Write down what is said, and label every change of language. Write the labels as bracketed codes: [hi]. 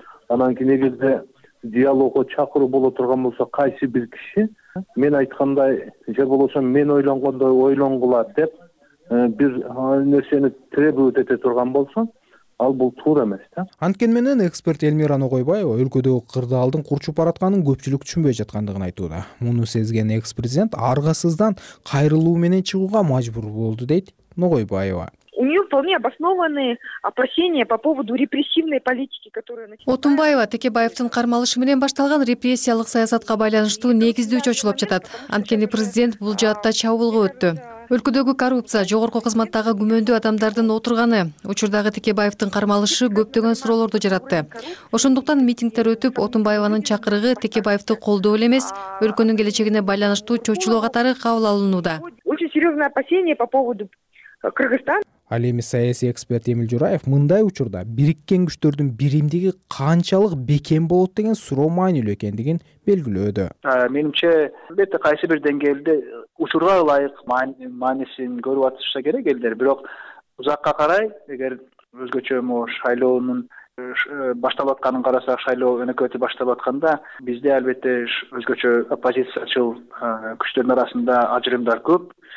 [ky] Анан кийин эгерде диалогго чакыруу боло турган болсо кайсы бир киши мен айткандай же болбосо мен ойлонгондой ойлонгула деп бир нерсени требовать эте турган болсо ал бул туура эмес да. Анткен менен эксперт Элмира Ногойбаева өлкөдөгү кырдаалдын курчуп баратканын көпчүлүк түшүнбөй жаткандыгын айтууда. Муну сезген экс президент аргасыздан кайрылуу менен чыгууга мажбур болду, дейт Ногойбаева. [ru] У неё вполне обоснованные опасения по поводу репрессивной политики, которая начинается. [ky] Отунбаева Текебаевдин кармалышы менен башталган репрессиялык саясатка байланыштуу негиздүү чочулуп жатат. Анткени президент бул жаатта чабуулга өттү. Өлкөдөгү коррупция, жогорку кызматтагы күмөндүү адамдардын отурганы, учурдагы Текебаевдин кармалышы көптөгөн суроолорду жаратты. Ошондуктан митингдер өтүп, Отунбаеванын чакырыгы Текебаевди колдоо эле эмес, өлкөнүн келечегине байланыштуу чочулуу катары кабыл алынууда. [ru] Очень серьёзные опасения по поводу Кыргызстан. [ky] Ал эми саясий эксперт Эмил Жураев мындай учурда бириккен күчтөрдүн биримдиги канчалык бекем болот деген суроо маанилүү экендигин белгилөөдө. Менимче албетте кайсы бир деңгээлде учурга ылайык маанисин көрүп атышса керек элдер, бирок узакка карай эгер өзгөчө шайлоонун башталып атканын карасак, шайлоо өнөкөтү баштап атканда бизде албетте өзгөчө оппозициячыл күчтөрдүн арасында ажырымдар көп.